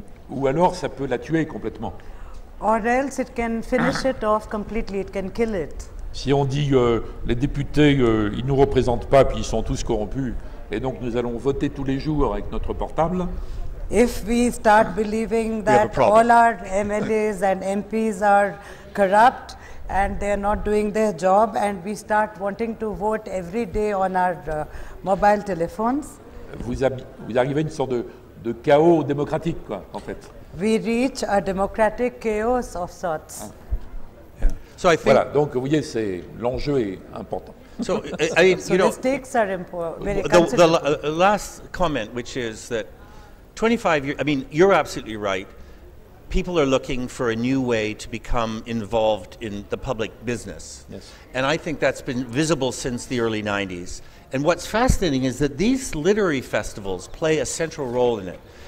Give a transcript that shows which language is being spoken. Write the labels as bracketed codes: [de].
[fr] ou alors ça peut la tuer complètement. [en] Or else it can finish it off completely, it can kill it. [fr] Si on dit les députés, ils nous représentent pas, puis ils sont tous corrompus. Et donc nous allons voter tous les jours avec notre portable. [en] If we start believing that all our MLAs and MPs are corrupt and they are not doing their job and we start wanting to vote every day on our mobile telephones. [fr] Vous arrivez à une sorte de chaos démocratique, quoi, en fait. [en] We reach a democratic chaos of sorts. So I think [fr] voilà, donc vous voyez, c'est l'enjeu est important. [en] So, I mean, the stakes are important. The last comment, which is that 25 years, I mean, you're absolutely right. People are looking for a new way to become involved in the public business. Yes. And I think that's been visible since the early 90s. And what's fascinating is that these literary festivals play a central role in it.